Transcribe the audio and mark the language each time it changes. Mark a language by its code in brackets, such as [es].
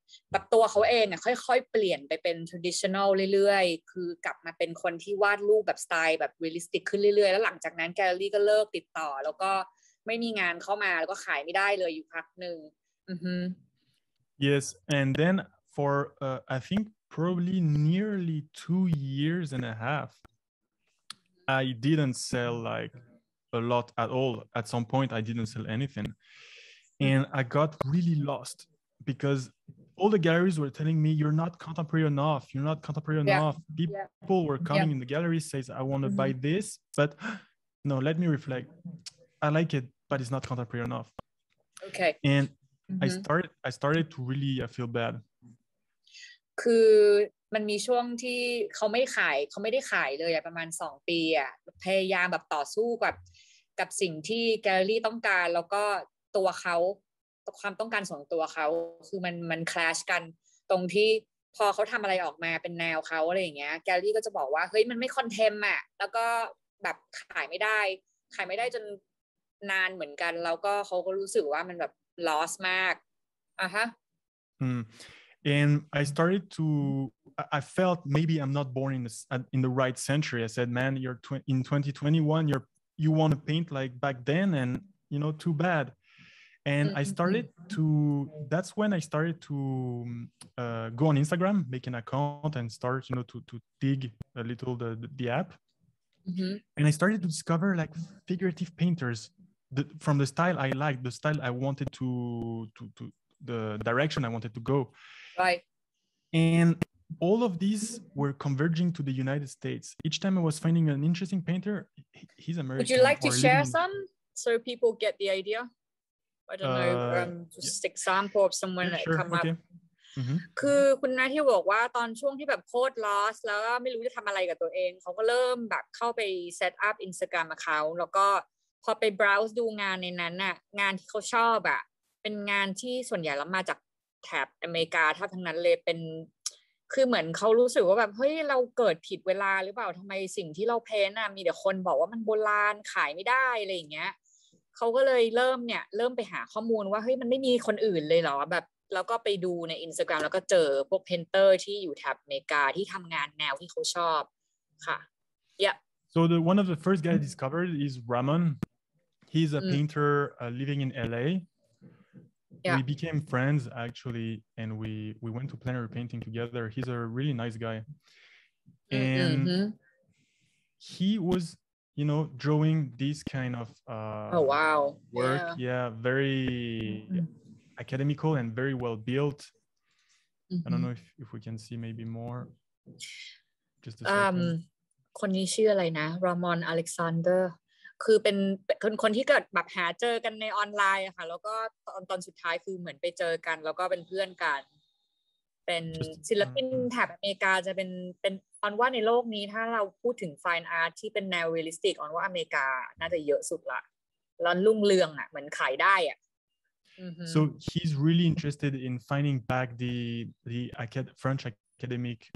[th] แบบตัวเขาเองเนี่ยค่อยๆเปลี่ยนไปเป็น traditional เรื่อยๆคือกลับมาเป็นคนที่วาดรูปแบบสไตล์แบบ realistic ขึ้นเรื่อยๆแล้วหลังจากนั้นแกลเลอรี่ก็เลิกติดต่อแล้วก็ไม่มีงานเข้ามาแล้วก็ขายไม่ได้เลยอยู่พักนึง [en] Yes and then for I think probably nearly 2 years and a half I didn't sell like a lot at all. At some point I didn't sell anything and I got really lost. Because all the galleries were telling me, you're not contemporary enough. You're not contemporary enough. People were coming in the gallery, says, I want to buy this. But no, let me reflect. I like it, but it's not contemporary enough. Okay. And I started to really feel bad. [th] คือมันมีช่วงที่เขาไม่ได้ขายเลยประมาณ2ปีพยายามแบบต่อสู้กับสิ่งที่แกลเลอรี่ต้องการแล้วก็ตัวเขาความต้องการส่วนตัวเขาคือมันคลาชกันตรงที่พอเขาทำอะไรออกมาเป็นแนวเขาอะไรอย่างเงี้ยแกลลี่ก็จะบอกว่าเฮ้ยมันไม่คอนเทมอ่ะแล้วก็แบบขายไม่ได้จนนานเหมือนกันแล้วก็เขาก็รู้สึกว่ามันแบบลอสมากอ่ะฮะ [en] and I started to I felt maybe I'm not born in the right century I said man you're in 2021 you want to paint like back then and you know too badAnd I started to, that's when I started to go on Instagram, make an account and start, you know, to dig a little the app. And I started to discover like figurative painters from the style I liked, the style I wanted to the direction I wanted to go. Right. And all of these were converging to the United States. Each time I was finding an interesting painter, he's American. Would you like to share some so people get the idea? I don't know, just example of someone that come up. [th] คือคุณนาที่บอกว่าตอนช่วงที่แบบโคตร loss แล้วไม่รู้จะทำอะไรกับตัวเองเขาก็เริ่มแบบเข้าไป set up Instagram account แล้วก็พอไป browse ดูงานในนั้นน่ะงานที่เขาชอบอะเป็นงานที่ส่วนใหญ่แล้วมาจากแถบอเมริกาถ้าทั้งนั้นเลยเป็น คือเหมือนเขารู้สึกว่าแบบเฮ้ยเราเกิดผิดเวลาหรือเปล่าทำไมสิ่งที่เราเพ้นน่ะมีแต่คนบอกว่ามันโบราณขายไม่ได้อะไรอย่างเงี้ยเขาก็เลยเริ่มไปหาข้อมูลว่าเฮ้ยมันไม่มีคนอื่นเลยเหรอแบบแล้วก็ไปดูใน Instagram แล้วก็เจอพวกเพนเตอร์ที่อยู่แถบอเมริกาที่ทำงานแนวที่เขาชอบค่ะ Yeah [en] So the one of the first guys I discovered is Ramon He's a painter living in LA Yeah We became friends actually and we went to Planetary Painting together He's a really nice guy And he wasYou know, drawing this kind of work, very academical and very well built. I don't know if we can see maybe more. Just a second. [th] คนนี้ชื่ออะไรนะ Ramon Alexander. คือเป็นคนที่เกิดแบบหาเจอกันในออนไลน์ค่ะแล้วก็ตอนสุดท้ายคือเหมือนไปเจอกันแล้วก็เป็นเพื่อนกันเป็นศิลปินแถบอเมริกาจะเป็นออนว่าในโลกนี้ถ้าเราพูดถึงไฟน์อาร์ตที่เป็นแนวเรียลลิสติกออนว่าอเมริกาน่าจะเยอะสุดละร้อนรุ่งเรืองอ่ะเหมือนขายได้อ่ะ [en] So he's really interested in finding back the French academic